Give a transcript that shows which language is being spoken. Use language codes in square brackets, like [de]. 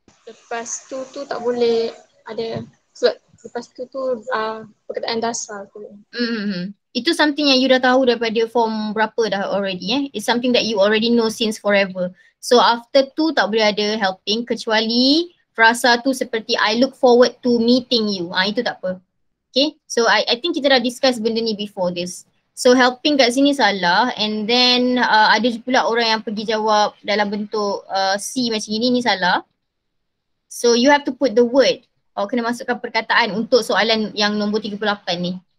[ms] Lepas tu tu tak boleh ada sebab lepas tu tu perkataan dasar tu. Itu something yang you dah tahu daripada form berapa dah already eh. [en] It's something that you already know since forever. So after tu [ms] tak boleh ada helping kecuali rasa tu seperti [en] I look forward to meeting you. [ms] Ah, itu tak apa. [en] Okay, so I think [ms] kita dah [en] discuss benda ni before this. [ms] So helping kat sini salah and then ada pula orang yang pergi jawab dalam bentuk C macam ini, ni salah. [en] So you have to put the word. [ms] Awak kena masukkan perkataan untuk soalan yang nombor 38 ni.